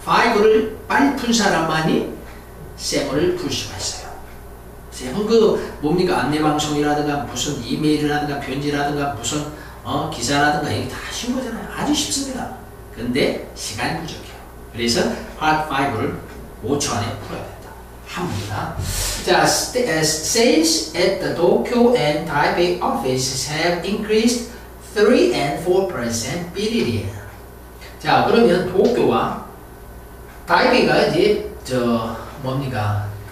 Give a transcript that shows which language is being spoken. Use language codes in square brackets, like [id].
[ko] 5를 빨리 푼 사람만이 7을 풀 수가 있어요. 7은 그 뭡니까? 안내방송이라든가 무슨 이메일이라든가 편지라든가 무슨 기사라든가 이게 다 쉬운 거잖아요. 아주 쉽습니다. 근데 시간이 부족해요. 그래서 Part 5를 5초 안에 풀어야 된다 합니다. [en] 자, sales at the Tokyo and Taipei offices have increased 3% and 4% period. [ko] 자, 그러면 도쿄와 타이베이가 이제 저 뭡니까?